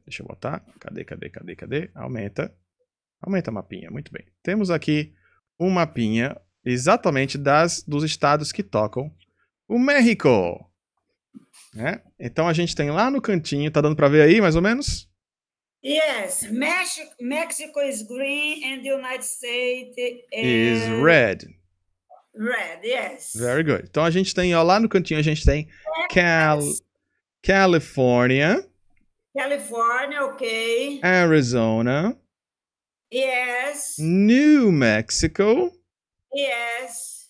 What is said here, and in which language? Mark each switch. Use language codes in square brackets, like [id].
[pt] Deixa eu botar. Cadê, cadê, cadê, cadê? Aumenta. Aumenta a mapinha. Muito bem. Temos aqui um mapinha exatamente dos estados que tocam o México. Né? Então a gente tem lá no cantinho, tá dando para ver aí mais ou menos? [en] Yes, Mexico is green and the United States Is is red. red. Yes. Very good. [pt] Então a gente tem, ó, lá no cantinho a gente tem Texas. California, California, okay. Arizona, [en] Yes. New Mexico Yes.